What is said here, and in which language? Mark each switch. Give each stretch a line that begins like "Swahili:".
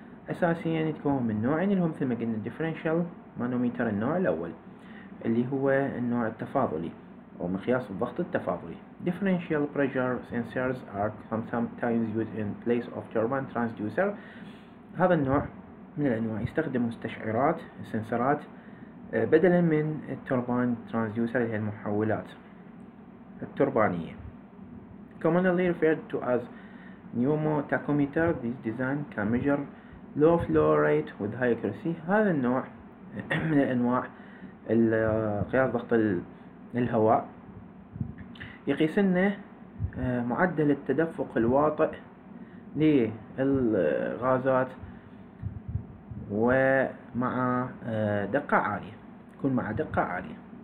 Arabic: أساسيا تكون من نوعين اللي هم مثل ما قلنا الديفرنشال مانوميتر النوع الأول اللي هو النوع التفاضلي أو مقياس الضغط التفاضلي.
English: Differential pressure sensors are sometimes used in place of turbine transducer.
Arabic: هذا النوع من الأنواع يستخدم مستشعرات السنسرات بدلا من التوربان ترانسديوسر اللي هي المحولات التوربانية.
English: Commonly referred to as pneumo tachometer, this design can measure low flow rate with high accuracy.
Arabic: هذا النوع من الأنواع قياس ضغط الهواء يقيس لنا معدل التدفق الواطئ للغازات ومع دقة عالية، يكون مع دقة عالية.